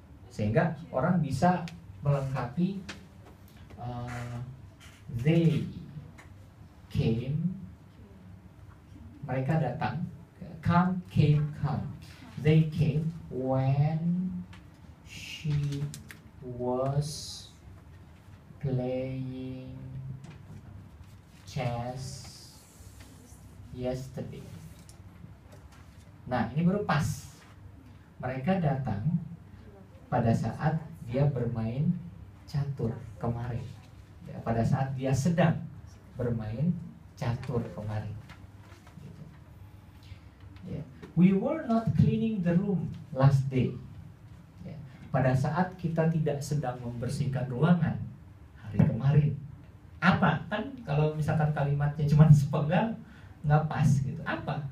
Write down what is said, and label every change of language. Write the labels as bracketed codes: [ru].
[id] Sehingga orang bisa melengkapi [en] they came, [id] mereka datang, [en] come, they came when she was playing chess yesterday. [id] Nah, ini baru pas, mereka datang pada saat dia bermain catur kemarin. Ya, pada saat dia sedang bermain catur kemarin. Ya. [en] We were not cleaning the room last day. [id] Ya. Pada saat kita tidak sedang membersihkan ruangan hari kemarin. Apa? Kan kalau misalkan kalimatnya cuma sepenggal, nggak pas gitu. Apa?